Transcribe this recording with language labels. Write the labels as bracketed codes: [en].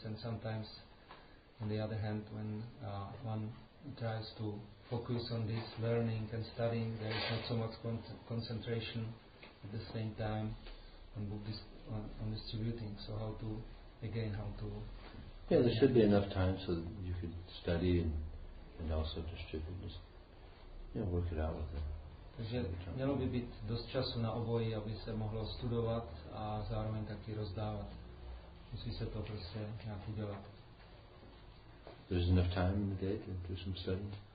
[en] And sometimes, on the other hand, when one tries to focus on this learning and studying, there is not so much concentration at the same time on distributing. So how to? Yeah, there should be enough time so that you could study and also distribute. Just, you know, work it out with it. [cs] Takže mělo by být dost času na obojí, aby se mohlo studovat a zároveň taky rozdávat. Musí se to prostě nějak udělat. [en] There's enough time in the day to do some study.